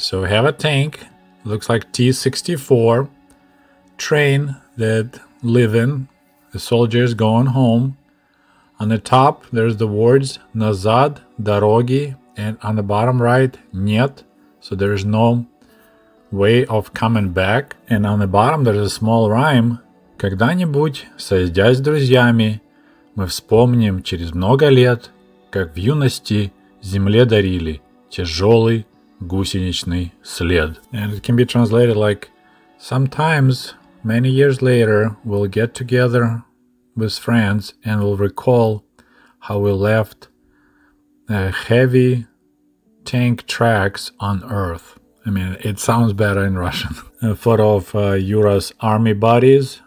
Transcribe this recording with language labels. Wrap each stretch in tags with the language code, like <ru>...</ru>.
<en>So we have a tank, looks like T-64, train that live in, the soldiers going home. On the top, there's the words</en> <ru>Назад, дороги,</ru> <en>and on the bottom right, нет, so there is no way of coming back. And on the bottom, there is a small rhyme.</en> <ru>Когда-нибудь, сойдясь с друзьями, мы вспомним через много лет, как в юности земле дарили тяжелый гусеничный след.</ru> <en>And it can be translated like, sometimes, many years later, we'll get together with friends and we'll recall how we left a heavy tank tracks on earth. I mean, it sounds better in Russian. A photo of Yura's army buddies.</en>